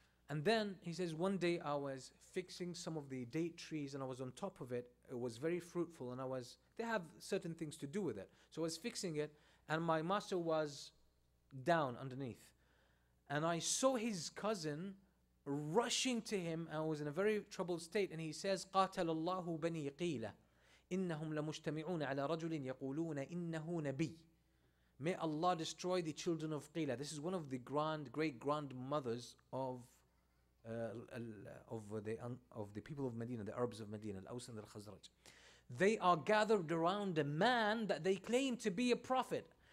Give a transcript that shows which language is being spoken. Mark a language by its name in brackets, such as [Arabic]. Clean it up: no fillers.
[English] And then he says, one day I was fixing some of the date trees and I was on top of it. It was very fruitful and they have certain things to do with it. So I was fixing it and my master was down underneath. And I saw his cousin rushing to him and I was in a very troubled state. And he says, [Arabic] قاتل الله بني قيلة. إِنَّهُمْ لَمُجْتَمِعُونَ عَلَى رَجُلٍ يَقُولُونَ إِنَّهُ نَبِيٌّ. [English] May Allah destroy the children of Qila. This is one of the great grandmothers of the people of Medina, the Arabs of Medina, Al-Aws and Al-Khazraj. They are gathered around a man that they claim to be a prophet.